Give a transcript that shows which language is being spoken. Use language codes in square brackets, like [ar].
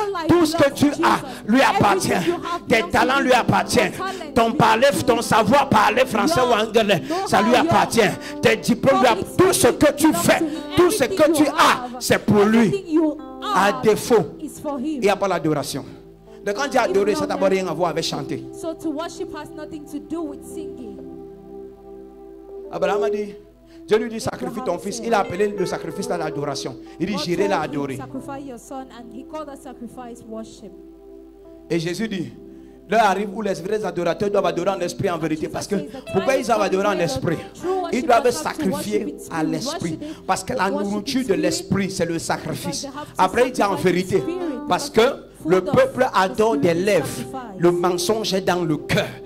[fr] Tout ce que tu as lui appartient. Tes talents lui appartiennent. Ton parler, ton savoir parler français ou anglais, ça lui appartient. Tes diplômes, tout ce que tu fais, tout ce que tu as, c'est pour lui. À défaut, il n'y a pas l'adoration. Donc quand j'ai adoré, ça n'a d'abord rien à voir avec chanter. [en] So to worship has nothing to do with singing. [fr] Abraham a dit, Dieu lui dit, sacrifie ton fils. Il a appelé le sacrifice à l'adoration. Il dit, j'irai l'adorer. [en] Sacrifice your son, and he called that sacrifice worship. [fr] Et Jésus dit, l'heure arrive où les vrais adorateurs doivent adorer en esprit en vérité. Parce que pourquoi ils doivent adorer en esprit? Ils doivent sacrifier à l'esprit. Parce que la nourriture de l'esprit, c'est le sacrifice. Après, il dit en vérité. Parce que le peuple adore des lèvres. Le mensonge est dans le cœur.